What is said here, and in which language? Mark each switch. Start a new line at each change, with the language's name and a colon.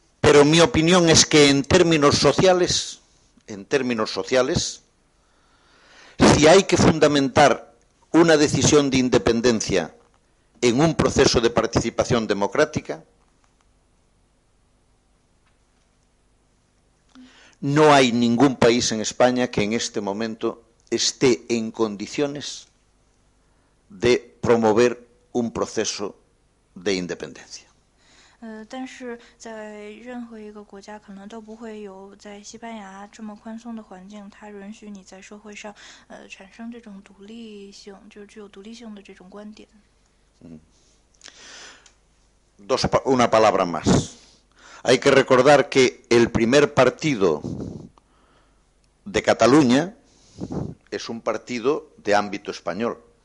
Spanish: Pero mi opinión es que en términos sociales, si hay que fundamentar una decisión de independencia en un proceso de participación democrática, no hay ningún país en España que en este momento esté en condiciones de promover un proceso de independencia.
Chinese: 但是在任何一个国家可能都不会有在西班牙这么宽松的环境，它允许你在社会上产生这种独立性，就是具有独立性的这种观点。
Spanish: Una palabra más. Hay que recordar que el primer partido de Cataluña es un partido de ámbito español.